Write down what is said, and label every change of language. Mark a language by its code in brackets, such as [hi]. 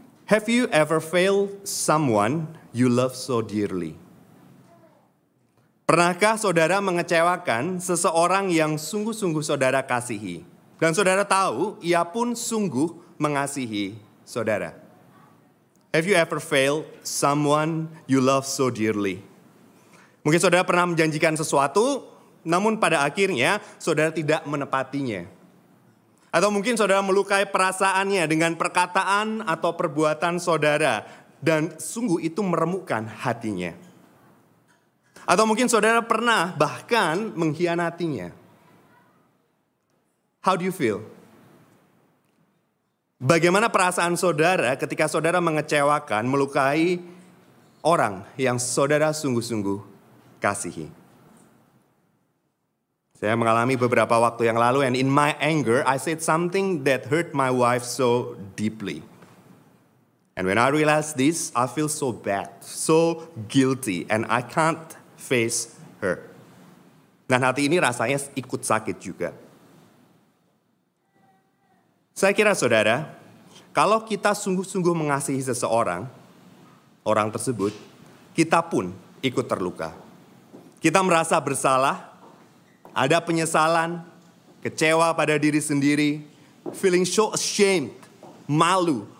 [en] Have you ever failed someone you love so dearly? [id] Pernahkah saudara mengecewakan seseorang yang sungguh-sungguh saudara kasihi? Dan saudara tahu, ia pun sungguh mengasihi saudara. [en] Have you ever failed someone you love so dearly? [id] Mungkin saudara pernah menjanjikan sesuatu, namun pada akhirnya saudara tidak menepatinya. Atau mungkin saudara melukai perasaannya dengan perkataan atau perbuatan saudara, dan sungguh itu meremukkan hatinya. Atau mungkin saudara pernah bahkan mengkhianatinya. [en] How do you feel? [id] Bagaimana perasaan saudara ketika saudara mengecewakan, melukai orang yang saudara sungguh-sungguh kasihi? Saya mengalami beberapa waktu yang lalu, [en] and in my anger, I said something that hurt my wife so deeply. And when I realized this, I feel so bad, so guilty, and I can't face her. [id] Dan hati ini rasanya ikut sakit juga. Saya kira saudara, kalau kita sungguh-sungguh mengasihi seseorang, orang tersebut, kita pun ikut terluka. Kita merasa bersalah, ada penyesalan, kecewa pada diri sendiri, [en] feeling so ashamed, [id] malu.